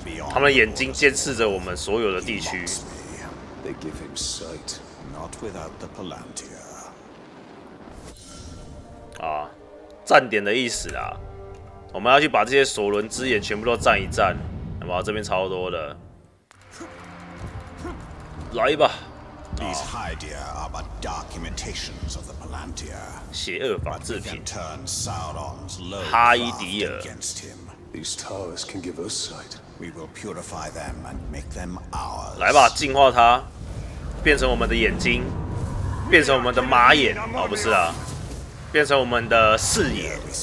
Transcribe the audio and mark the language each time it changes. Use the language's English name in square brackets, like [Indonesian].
[Chinese] 他们的眼睛监视着我们所有的地区。 [English] They give him sight, not without the Palantir. [Chinese] 啊，站点的意思啊。我们要去把这些索伦之眼全部都站一站，好不好？这边超多的。来吧。 [English] These Hydea are but dark imitations of the Palantir. [Chinese] 邪恶仿制品。 [English] Turn Sauron's love against him. These towers can give us sight. We will purify them and make them ours. [Chinese] 来吧，进化它，变成我们的眼睛，变成我们的马眼，哦，不是啊，变成我们的视野。